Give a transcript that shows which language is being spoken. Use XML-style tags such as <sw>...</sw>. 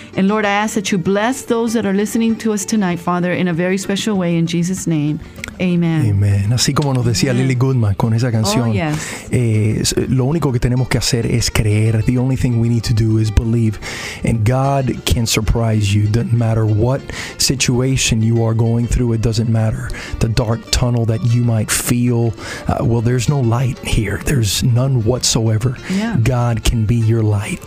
<en>And Lord, I ask that you bless those that are listening to us tonight, Father, in a very special way, in Jesus' name. Amen. Amen.</en> <es>Así como nos decía Lily Goodman con esa canción,</es> <en>oh, yes.</en> <es>Lo único que tenemos que hacer es creer.</es> <en>The only thing we need to do is believe. And God can surprise you. Doesn't matter what situation you are going through, it doesn't matter. The dark tunnel that you might feel, there's no light here. There's none whatsoever. Yeah. God can be your light.</en>